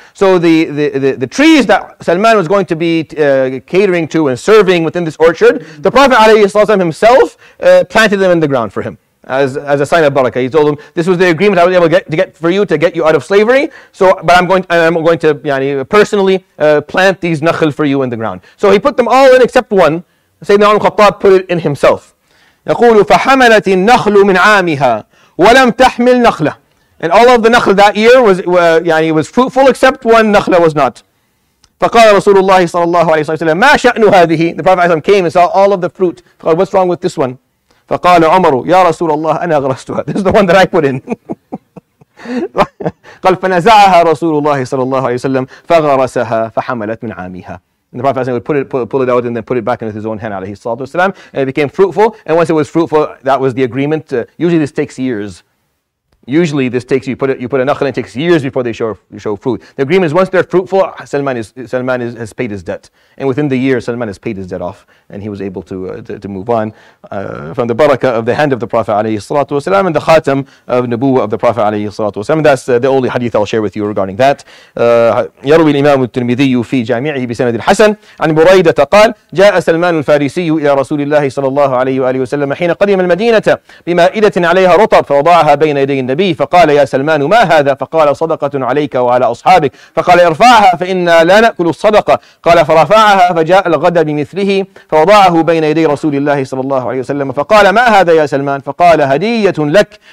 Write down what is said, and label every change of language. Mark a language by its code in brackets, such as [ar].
[en] So the trees that Salman was going to be catering to and serving within this orchard, the Prophet himself planted them in the ground for him as a sign of barakah. He told him, this was the agreement I was able to get you out of slavery, so I'm going to personally plant these nakhil for you in the ground. So he put them all in except one. Sayyidina Umar al-Khattab put it in himself. [ar] يقول فحملت النخل من عامها ولم تحمل نخلة. [en] And all of the nakhl that year was fruitful except one nakhla was not. [ar] فقال رسول الله صلى الله عليه وسلم ما شأن هذه. [en] The Prophet came and saw all of the fruit. [ar] فقال, [en] what's wrong with this one? [ar] فقال عمر يا رسول الله أنا غرستها. [en] This is the one that I put in. [ar] قال فنزعها رسول الله صلى الله عليه وسلم فغرسها فحملت من عامها. [en] And the Prophet would pull it out and then put it back into his own hand, alayhi salatu wasalam, and it became fruitful. And once it was fruitful, that was the agreement. Usually this takes years. Usually this takes, you put a nakhl and it takes years before they show fruit. The agreement is once they're fruitful, Salman has paid his debt. And within the year, Salman has paid his debt off. And he was able to move on from the barakah of the hand of the Prophet alayhi salatu wasalam and the khatam of nubuwah of the Prophet alayhi salatu wasalam. And that's the only hadith I'll share with you regarding that. [ar] يروي الإمام الترمذي في جامعه بسند الحسن عن بريدة قال جاء سلمان الفارسي إلى رسول الله صلى الله عليه وآله وسلم حين قدم المدينة بمائدة عليها رطب فوضعها بين يدي النبي فقال يا سلمان ما هذا فقال صدقة عليك وعلى أصحابك فقال ارفعها فإنا لا نأكل الصدقة قال فرفعها فجاء الغد بمثله فوضعه بين يدي رسول الله صلى الله عليه وسلم فقال ما هذا يا سلمان فقال هدية لك